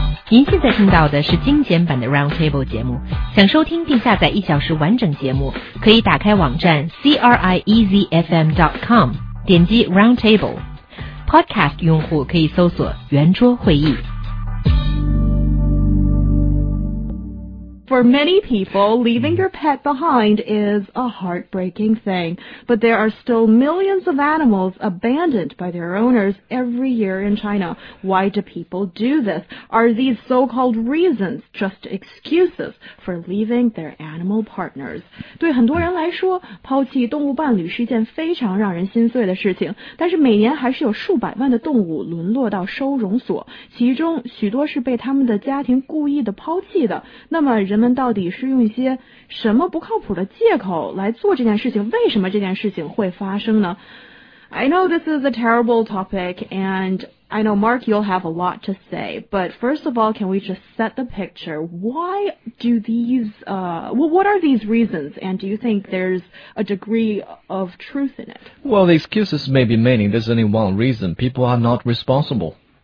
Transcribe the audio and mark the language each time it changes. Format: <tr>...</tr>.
<zh>您现在听到的是精简版的 Roundtable 节目，想收听并下载一小时完整节目，可以打开网站 CRIEZFM.com， 点击 Roundtable。 Podcast 用户可以搜索圆桌会议。</zh> <en>For many people, leaving your pet behind is a heartbreaking thing. But there are still millions of animals abandoned by their owners every year in China. Why do people do this? Are these so-called reasons just excuses for leaving their animal partners?</en> <zh>对很多人来说，抛弃动物伴侣是一件非常让人心碎的事情。但是每年还是有数百万的动物沦落到收容所，其中许多是被他们的家庭故意的抛弃的。那么人们到底是用一些什么不靠谱的借口来做这件事情？为什么这件事情会发生呢？</zh> <en>I know this is a terrible topic, and I know, Mark, you'll have a lot to say. But first of all, can we just set the picture? Why do these, what are these reasons? And do you think there's a degree of truth in it? Well, the excuses may be many. There's only one reason. People are not responsible.</en>